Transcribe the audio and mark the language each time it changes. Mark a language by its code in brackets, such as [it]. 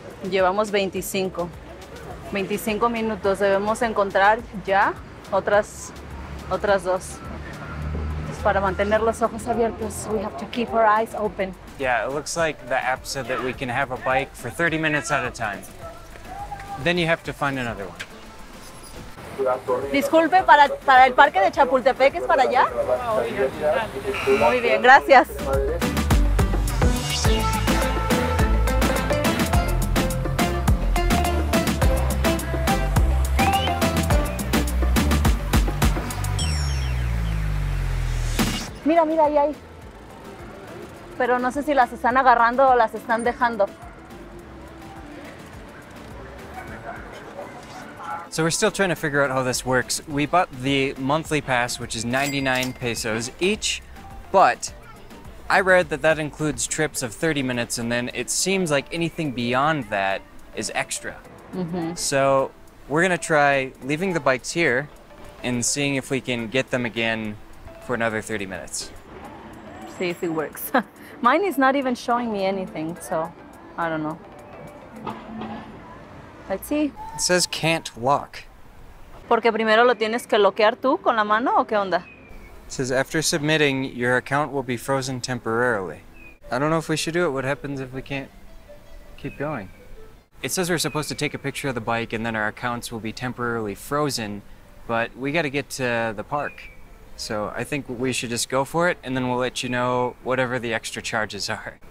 [es] Llevamos 25. 25 minutos. Debemos encontrar ya otras dos. [en] Just [es] para mantener los ojos abiertos, [en] we have to keep our eyes open. Yeah, it looks like the app said that we can have a bike for 30 minutes at a time. Then you have to find another one. [es] Disculpe, para el parque de Chapultepec, ¿es para allá? Muy bien, gracias. Mira, mira, ahí hay. Pero no sé si las están agarrando o las están dejando. [en] So we're still trying to figure out how this works. We bought the monthly pass, which is 99 pesos each, but I read that that includes trips of 30 minutes and then it seems like anything beyond that is extra. Mm-hmm. So we're gonna try leaving the bikes here and seeing if we can get them again for another 30 minutes. See if it works. Mine is not even showing me anything, so I don't know. Let's see. It says can't lock. [es] Porque primero lo tienes que bloquear tú con la mano o qué onda? [en] It says after submitting, your account will be frozen temporarily. I don't know if we should do it. What happens if we can't keep going? It says we're supposed to take a picture of the bike and then our accounts will be temporarily frozen, but we gotta get to the park. So I think we should just go for it and then we'll let you know whatever the extra charges are.